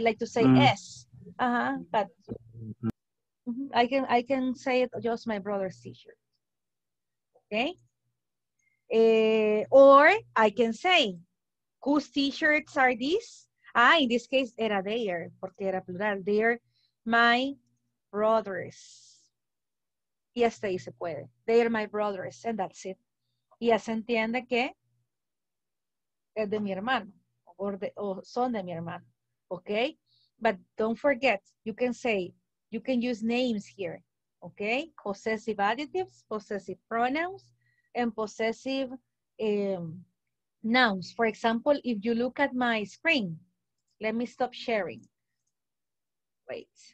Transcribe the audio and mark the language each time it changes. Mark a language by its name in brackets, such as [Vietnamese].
[English] Like to say s, uh-huh, but I can say it just my brother's t-shirt, okay? Or I can say, whose t-shirts are these? Ah, in this case, [Spanish] era [English] their, [Spanish] porque era plural, [English] they're my brother's. [Spanish] Y hasta ahí se puede. [English] They are my brothers, and that's it. [Spanish] Y ya se entiende que es de mi hermano, o son de mi hermano, okay? [English] But don't forget, you can say, you can use names here, okay? Possessive adjectives, possessive pronouns, and possessive nouns. For example, if you look at my screen, let me stop sharing. Wait.